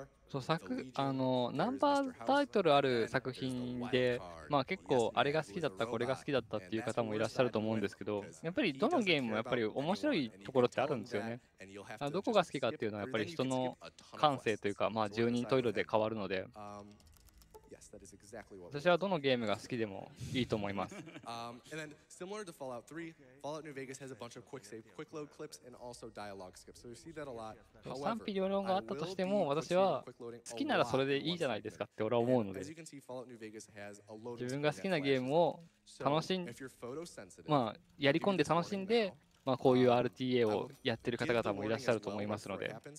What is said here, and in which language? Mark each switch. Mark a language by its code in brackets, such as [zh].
[ja] そう、ナンバータイトルある作品で、まあ、結構あれが好きだった、これが好きだったっていう方もいらっしゃると思うんですけど、やっぱりどのゲームもやっぱり面白いところってあるんですよね。どこが好きかっていうのはやっぱり人の感性というか、まあ、十人十色で変わるので。 [en] that is exactly what [ja] 私はどのゲームが好きでもいいと思います。 [en] and then similar to Fallout 3, Fallout New Vegas has a bunch of quick save, quick load clips, and also dialogue skips. So you see that a lot. However, [ja] 賛否両論があったとしても、私は好きならそれでいいじゃないですかって俺は思うので。自分が好きなゲームを楽しん、まあやり込んで楽しんで。まあ、こういう RTA をやってる方々もいらっしゃると思いますので。